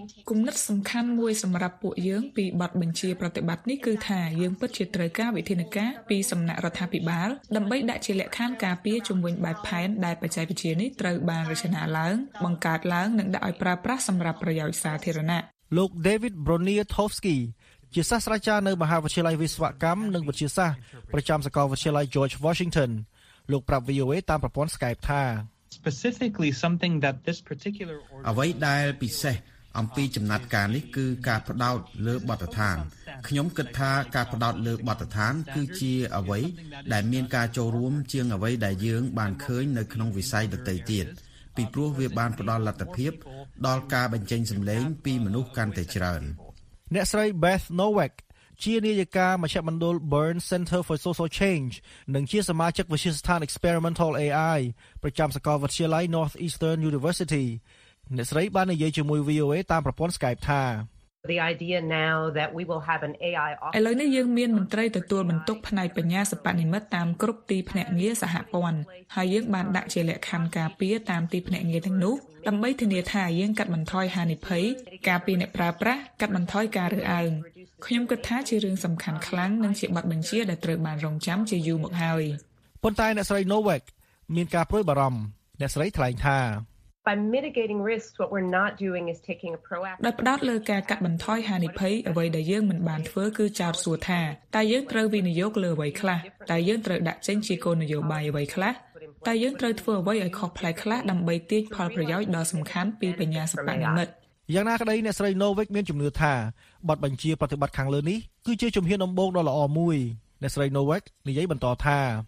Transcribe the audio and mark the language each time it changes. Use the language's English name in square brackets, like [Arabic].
[Khmer] គំនិតសំខាន់មួយសម្រាប់ពួកយើងពីបទបញ្ជាប្រតិបត្តិនេះគឺថាយើងពិតជាត្រូវការវិធានការពីសំណាក់រដ្ឋាភិបាលដើម្បីដាក់ជាលក្ខខណ្ឌការពារជំនួយបែបផែនដែលបច្ចេកវិទ្យានេះត្រូវបានរចនាឡើងបង្កើតឡើងនិងដាក់ឲ្យប្រើប្រាស់សម្រាប់ប្រយោជន៍សាធារណៈ លោក David Broniatowski ជាសាស្ត្រាចារ្យនៅមហាវិទ្យាល័យវិស្វកម្មនិងវិទ្យាសាស្ត្រប្រចាំសាកលវិទ្យាល័យ George Washington លោកប្រាប់ VOA តាមប្រព័ន្ធ Skype ថា [English] Specifically something that this particular order [Khmer] អ្វីដែលពិសេសអំពីចំណាត់ការនេះគឺការផ្ដោតលើបទដ្ឋានខ្ញុំគិតថាការផ្ដោតលើបទដ្ឋានគឺជាអ្វីដែលមានការចូលរួមជាងអ្វីដែលយើងបានឃើញនៅក្នុងវិស័យដទៃទៀតពីព្រោះវាបានផ្ដល់លទ្ធភាពដល់ការបញ្ចេញសម្លេងពីមនុស្សកាន់តែច្រើន អ្នកស្រី Beth Nowak ជានាយិកាមជ្ឈមណ្ឌល Burn Center for Social Change និងជាសមាជិកវិទ្យាស្ថាន Experimental AI ប្រចាំសាកលវិទ្យាល័យ Northeastern University អ្នកស្រីបាននិយាយជាមួយ VOA តាមប្រព័ន្ធ Skype ថា [English] The idea now that we will have an AI [Khmer] office. ឥឡូវនេះយើងមានមន្ត្រីទទួលបន្ទុកផ្នែកបញ្ញាសិប្បនិម្មិតតាមគ្រប់ទីភ្នាក់ងារសហព័ន្ធហើយយើងបានដាក់ជាលក្ខខណ្ឌការពារតាមទីភ្នាក់ងារទាំងនោះដើម្បីធានាថាយើងកាត់បន្ថយហានិភ័យការពារអ្នកប្រើប្រាស់កាត់បន្ថយការរើសអើងខ្ញុំគិតថាជារឿងសំខាន់ខ្លាំងនិងជាបទបញ្ជាដែលត្រូវបានរងចាំជាយូរមកហើយ ប៉ុន្តែអ្នកស្រី Novak មានការព្រួយបារម្ភអ្នកស្រីថ្លែងថា [English] By mitigating risks, what we're not doing is taking a proactive. [Khmer] ដោយផ្ដោតលើការកាត់បន្ថយហានិភ័យអ្វីដែលយើងមិនបានធ្វើគឺចោទសួរថាតើយើងត្រូវវិនិយោគលើអ្វីខ្លះតើយើងត្រូវដាក់ចេញជាគោលនយោបាយអ្វីខ្លះតើយើងត្រូវធ្វើអ្វីឲ្យខុសប្លែកខ្លះដើម្បីទាញផលប្រយោជន៍ដ៏សំខាន់ពីបញ្ញាសិប្បនិម្មិត យ៉ាងណាក្ដីអ្នកស្រី Novak មានជំនឿថាបទបញ្ជាប្រតិបត្តិខាងលើនេះគឺជាជំហានដំបូងដ៏ល្អមួយអ្នកស្រី Novak និយាយបន្តថា